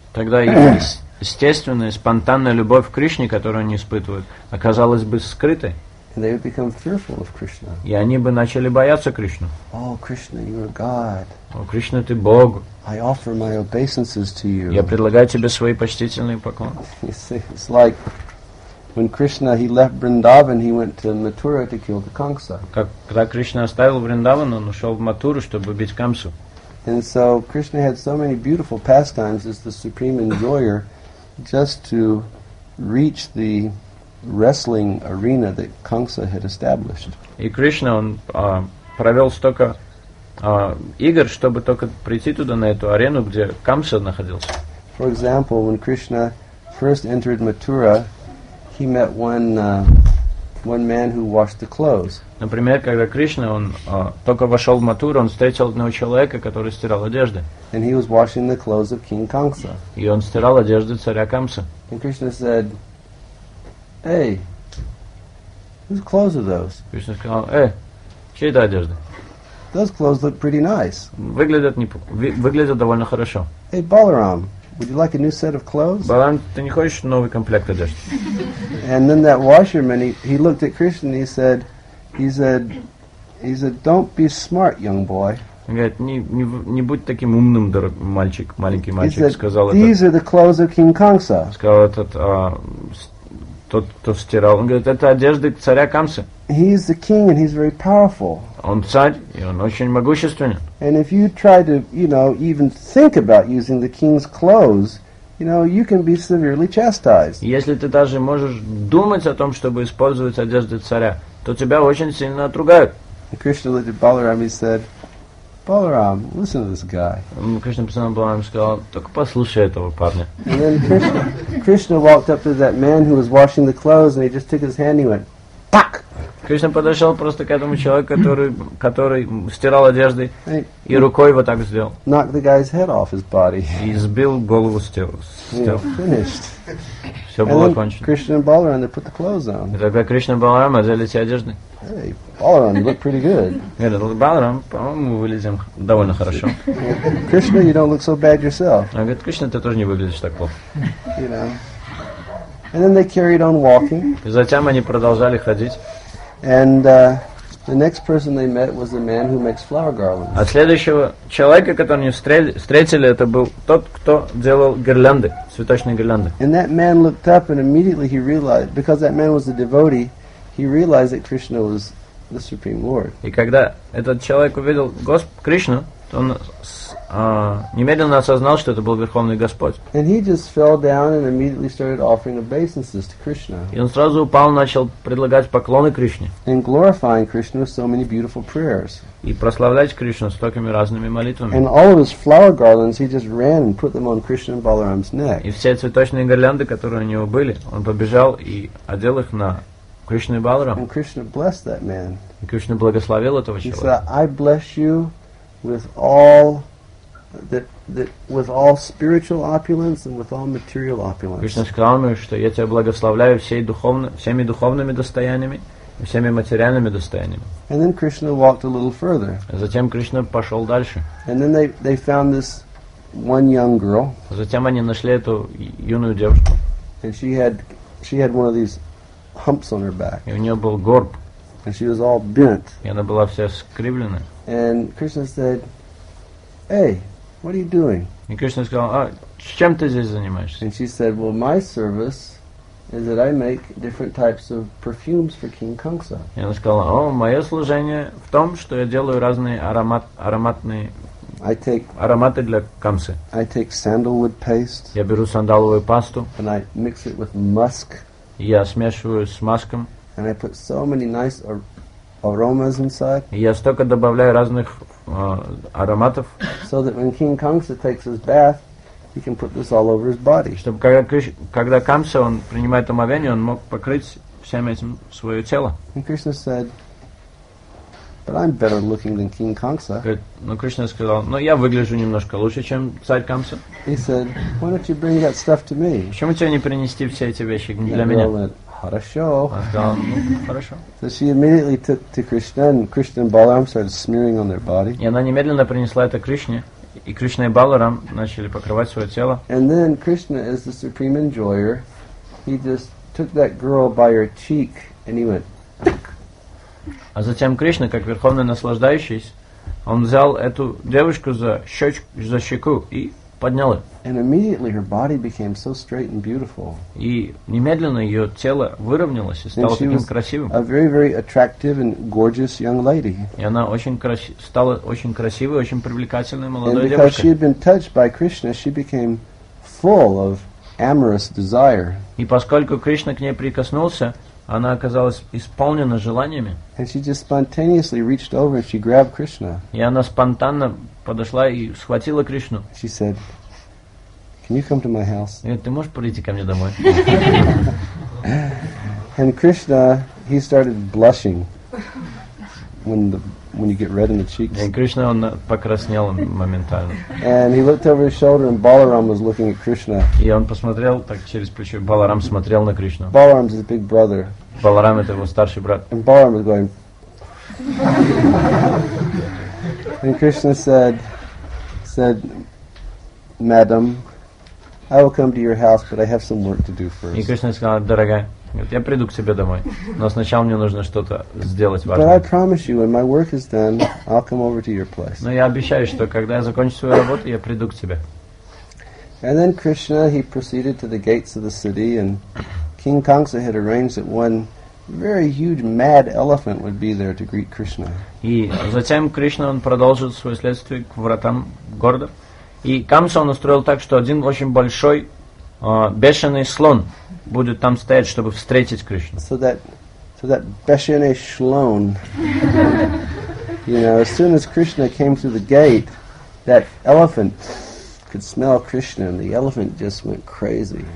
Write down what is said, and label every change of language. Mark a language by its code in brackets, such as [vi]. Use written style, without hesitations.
[ru] Тогда их естественная, спонтанная любовь к Кришне, которую они испытывают, оказалась бы скрытой. [en] And they would become fearful of Krishna. [ru] И они бы начали бояться Кришну. [en] Oh, Krishna, you are God. [ru] О, Кришна, ты Бог. [en] I offer my obeisances to you. [ru] Я предлагаю тебе свои почтительные поклоны. [en] It's like when Krishna he left Vrindavan, he went to Mathura to kill the Kamsa. [ru] Когда Кришна оставил Вриндаван, он ушел в Матуру, чтобы убить Камсу. [en] And so Krishna had so many beautiful pastimes as the supreme enjoyer, just to reach the wrestling arena that Kamsa had established. [ru] И Кришна он провел столько игр, чтобы только прийти туда на эту арену, где Камса находился. [en] For example, when Krishna first entered Mathura, he met one man who washed the clothes. [ru] Например, когда Кришна он только вошел в Матуру, он встретил одного человека, который стирал одежды. [en] And he was washing the clothes of King Kamsa. [ru] И он стирал одежды царя Камса. [en] And Krishna said, "Hey, whose clothes are those?" [ru] Кришна сказал, "Эй, чьи это одежды?" [en] "Those clothes look pretty nice." [ru] Выглядят довольно хорошо. [en] "Hey, Balaram, would you like a new set of clothes?" [ru] Balaram, ты не хочешь новый комплект одежды? [en] And then that washerman, he looked at Krishna and he said, "Don't be smart, young boy." [ru] Он говорит, не будь таким умным, дорогой мальчик, маленький мальчик, [en] said, [ru] сказал [en] These [ru] этот. [en] "These are the clothes of King Kamsa." [ru] Сказал этот тот, кто стирал. Он говорит, это одежды царя Камсы. [en] He is the king and he's very powerful. [ru] Он царь, и он очень могущественен. [en] And if you try to, you know, even think about using the king's clothes, You know, you can be severely chastised. [ru] Если ты даже можешь думать о том, чтобы использовать одежды царя, то тебя очень сильно отругают. [en] Krishna looked at Balaram and said, Balaram, listen to this guy. [ru] Krishna посмотрел на Баларама и сказал, только послушай этого парня. [en] And then Krishna walked up to that man who was washing the clothes and he just took his hand and he went, Pak! [ru] Krishna подошел просто к этому человеку, который стирал одежды and и рукой вот так сделал. [en] Knocked the guy's head off his body. [ru] И сбил голову с тела. [en] Finished. [ru] Все [en] and [ru] было кончено. [en] And Krishna and Balaram, they put the clothes on. [ru] И тогда Krishna и Баларам одели все одежды. [en] Hey, Balaram, you look pretty good. Yeah, the Balaram, [ru] по-моему, выглядим довольно хорошо. [en] Krishna, you don't look so bad yourself. [ru] Он говорит, Krishna, ты тоже не выглядишь так плохо. [en] You know. And then they carried on walking. [ru] И затем они продолжали ходить. [en] And the next person they met was the man who makes flower garlands. [ru] А следующего человека, которого они встретили, это был тот, кто делал гирлянды, цветочные гирлянды. [en] And that man looked up, and immediately he realized, because that man was a devotee. He realized that Krishna was the Supreme Lord. [ru] И когда этот человек увидел Кришну, то он немедленно осознал, что это был Верховный Господь. [en] And he just fell down and immediately started offering obeisances to Krishna. [ru] И он сразу упал, начал предлагать поклоны Кришне. [en] And glorifying Krishna with so many beautiful prayers. [ru] И прославлять Кришну столькими разными молитвами. [en] And all of his flower garlands, he just ran and put them on Krishna and Balaram's neck. [ru] И все цветочные гирлянды, которые у него были, он побежал и одел их на Кришна и Баларам. [en] And Krishna blessed that man. [ru] И Кришна благословил этого человека. [en] He said, "I bless you with all with all spiritual opulence and with all material opulence." [ru] Кришна сказал ему, что я тебя благословляю всеми духовными достояниями и всеми материальными достояниями. [en] And then Krishna walked a little further. [ru] Затем Кришна пошел дальше. [en] And then they found this one young girl. [ru] Затем они нашли эту юную девушку. [en] And she had one of these humps on her back. [ru] И у нее был горб. [en] And she was all bent. [ru] И она была вся скривлена. [en] And Krishna said, "Hey, what are you doing?" [ru] И Кришна сказал, "А чем ты здесь занимаешься?" [en] And she said, "Well, my service is that I make different types of perfumes for King Kamsa." [ru] И она сказала, "О, мое служение в том, что я делаю разные ароматы для Камсы. [en] I take sandalwood paste. [ru] Я беру сандаловую пасту. [en] And I mix it with musk. [ru] Я смешиваю с маском. [en] And I put so many nice aromas inside. [ru] Я столько добавляю разных ароматов. [en] So that when King Kamsa takes his bath, he can put this all over his body. [ru] Чтобы когда Камса он принимает омовение, он мог покрыть всем этим свое тело. [en] And Krishna said, "But I'm better looking than King Kamsa." [ru] Но Кришна сказал, "Но я выгляжу немножко лучше, чем царь Камса." [en] He said, "Why don't you bring that stuff to me?" [ru] Почему тебе не принести все эти вещи для меня? Хорошо. Хорошо. [en] So she immediately took to Krishna, and Krishna and Balaram started smearing on their body. [ru] И она немедленно принесла это Кришне, и Кришна и Баларам начали покрывать свое тело. [en] And then Krishna, as the supreme enjoyer, he just took that girl by her cheek, and he went. [ru] А затем Кришна, как верховный наслаждающийся, он взял эту девушку за щеку и поднял ее. [en] And immediately her body became so straight and beautiful. [ru] И немедленно ее тело выровнялось и стало таким красивым. [en] A very, very attractive and gorgeous young lady. [ru] И она стала очень красивой, очень привлекательной молодой девушкой. [en] because she had been touched by Krishna, she became full of amorous desire. [ru] И поскольку Кришна к ней прикоснулся, она оказалась исполнена желаниями. [en] And she just spontaneously reached over and she grabbed Krishna. [ru] И она спонтанно подошла и схватила Кришну. [en] She said, "Can you come to my house?" [ru] И ты можешь прийти ко мне домой? [en] And Krishna, he started blushing when you get red in the cheeks. [ru] И Кришна, он покраснел моментально. [en] And he looked over his shoulder and Balaram was looking at Krishna. [ru] И он посмотрел так через плечо. Баларам смотрел на Кришну. [en] Balaram's his big brother. [ru] Баларам это его старший брат. [en] And Balaram was going. And Krishna said, "Madam, I will come to your house, but I have some work to do first." [ru] И Кришна сказал, дорогая. Я приду к тебе домой, но сначала мне нужно что-то сделать важное. [en] But I promise you, when my work is done, I'll come over to your place. [ru] Но я обещаю, что когда я закончу свою работу, я приду к тебе. [en] And then Krishna, he proceeded to the gates of the city, and King Kamsa had arranged that one very huge mad elephant would be there to greet Krishna. [ru] И затем Кришна он продолжил свое следствие к вратам города, и Камса он устроил так, что один очень большой бешеный слон будет там стоять, чтобы встретить Кришну. [en] So that [ru] бешеный шлон, [en] you know, as soon as Krishna came through the gate, that elephant could smell Krishna, and the elephant just went crazy.